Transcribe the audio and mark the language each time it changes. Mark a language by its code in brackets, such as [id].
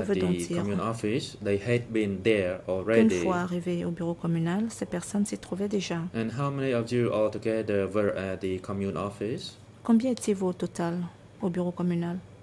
[en] at the commune office, they had been there already. [fr] Une fois arrivé au bureau communal, ces personnes s'y trouvaient déjà. [en] And how many of you all together were at the commune office? [fr] Combien étiez-vous au total au bureau communal?